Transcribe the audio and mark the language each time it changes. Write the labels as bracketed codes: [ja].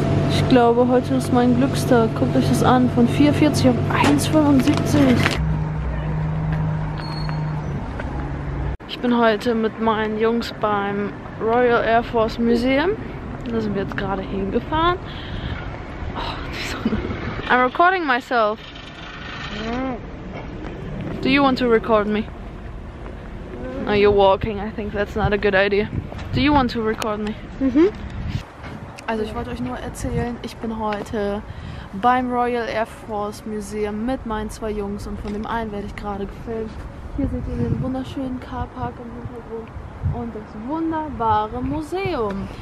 [de] Ich glaube, heute ist mein Glückstag. Guckt euch das an. Von 4,40 auf 1,75. Ich bin heute mit meinen Jungs beim Royal Air Force Museum. Da sind wir jetzt gerade hingefahren. Oh, die Sonne. [en] I'm recording myself. Do you want to record me? No, you're walking. I think that's not a good idea. Do you want to record me? Mhm. [de] Also ich wollte euch nur erzählen, ich bin heute beim Royal Air Force Museum mit meinen zwei Jungs und von dem einen werde ich gerade gefilmt. Hier seht ihr den wunderschönen Carpark im Hintergrund und das wunderbare Museum.